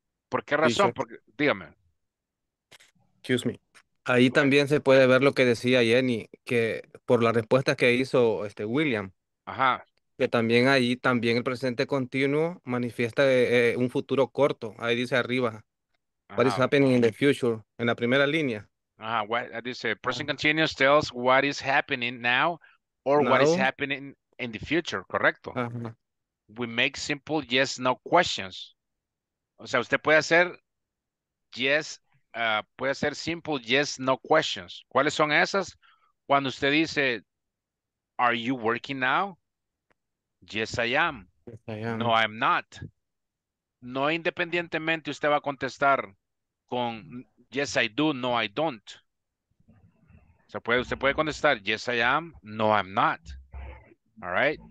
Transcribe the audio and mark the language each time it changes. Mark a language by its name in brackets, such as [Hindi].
[Spanish] ¿Por qué razón? Porque, dígame. [English] Excuse me. [Spanish] Ahí también se puede ver lo que decía Jenny, que por la respuesta que hizo William, ajá, que también ahí también el presente continuo manifiesta un futuro corto. Ahí dice arriba, ajá, what is happening in the future, en la primera línea. [English] Ajá, what dice, present continuous tells what is happening now or now, what is happening in the future, correcto. Ajá. We make simple yes, no questions. [Spanish] O sea, usted puede hacer yes, puede ser simple yes, no questions. ¿Cuáles son esas? [English] Cuando usted dice, are you working now? Yes, I am. Yes, I am. [Spanish] No, I'm not. No independientemente usted va a contestar con yes I do, no I don't. [English] So usted puede contestar yes I am, no I'm not. All right?